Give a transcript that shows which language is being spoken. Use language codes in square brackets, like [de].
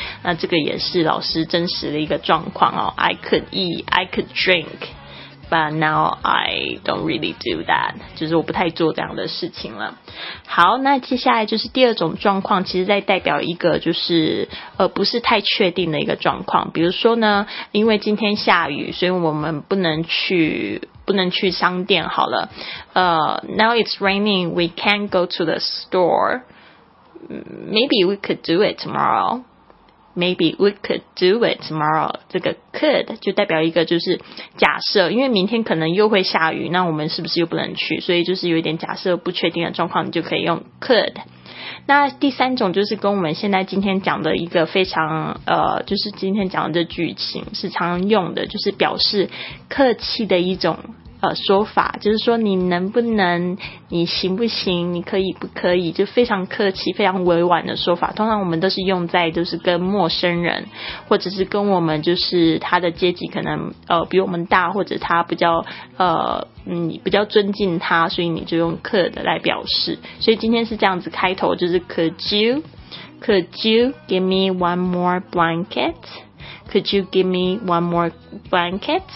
[zh] 那这个也是老师真实的一个状况哦， [en] I could eat I could drinkBut now I don't really do that， [zh] 就是我不太做这样的事情了。好，那接下来就是第二种状况，其实在代表一个就是不是太确定的一个状况。比如说呢因为今天下雨，所以我们不能去商店好了。 [en] Now it's raining we can't go to the store， maybe we could do it tomorrow。 Maybe we could do it tomorrow， [zh] 这个 could 就代表一个就是假设，因为明天可能又会下雨，那我们是不是又不能去，所以就是有一点假设不确定的状况，你就可以用 could。那第三种就是跟我们现在今天讲的一个非常就是今天讲的这剧情是常用的，就是表示客气的一种说法，就是说你能不能，你行不行，你可以不可以，就非常客气非常委婉的说法。通常我们都是用在就是跟陌生人，或者是跟我们就是他的阶级可能比我们大，或者他比较你比较尊敬他，所以你就用 could 来表示。所以今天是这样子开头，就是 [en] could you give me one more blanketCould you give me one more blanket?